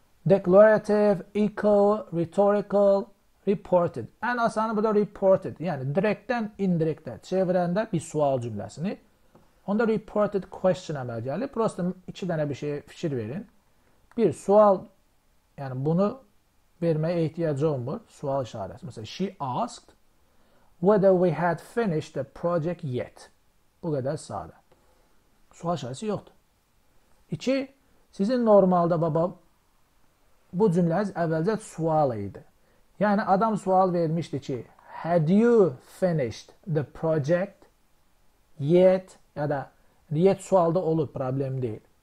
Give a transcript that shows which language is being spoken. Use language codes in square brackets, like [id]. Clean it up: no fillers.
[en] Declarative, echo, rhetorical, reported. [az] Ən asanı burada reported. Yəni, direktdən indirektə çevirəndə bir sual cümləsini. Onda reported question əməl gəlir. Prosto iki dənə bir şey fikir verin. Bir, sual, yəni bunu verməyə ehtiyac olmur. Sual işarəsi. Məsələn, [en] she asked whether we had finished the project yet. [az] Bu qədər sadə. Sual işarəsi yoxdur. İki, sizin normalda baba bu cümləniz əvvəlcə sual idi. Yəni, adam sual vermişdi ki, [en] had you finished the project yet? [az] Ya da yet sualda olur, problem deyil.